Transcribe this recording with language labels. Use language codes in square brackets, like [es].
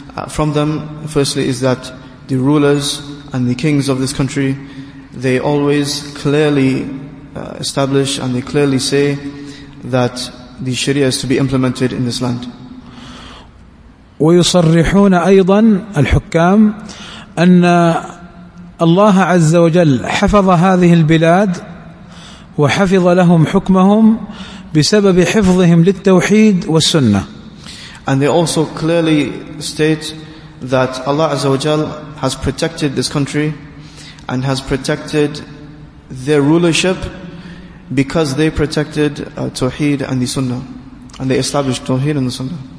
[en] From them, firstly, is that the rulers and the kings of this country, they always clearly establish and they clearly say that the Sharia is to be implemented in this land. [ar] ويصرحون أيضا الحكام أن الله عز وجل حفظ هذه البلاد وحفظ لهم حكمهم بسبب حفظهم للتوحيد والسنة. [en] And they also clearly state that Allah عز وجل has protected this country and has protected their rulership because they protected Tawheed and the Sunnah, and they established Tawheed and the Sunnah.